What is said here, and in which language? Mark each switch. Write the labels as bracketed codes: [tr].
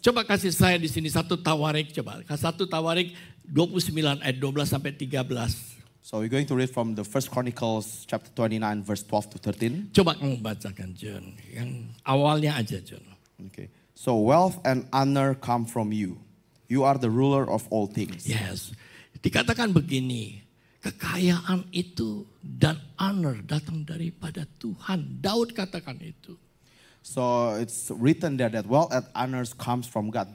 [id] Coba kasih saya di sini satu Tawarik, coba. Satu Tawarik 29 ayat 12 sampai 13. [en] So we're going to read from the First Chronicles chapter 29 verse 12 to 13. [id] Coba kamu bacakan, Jun. Yang awalnya aja, Jun. [en] Okay. So wealth and honor come from you. You are the ruler of all things. Yes. [id] Dikatakan begini, kekayaan itu dan honor datang daripada Tuhan. Daud katakan itu. [en] So it's written there that wealth and honor comes from God.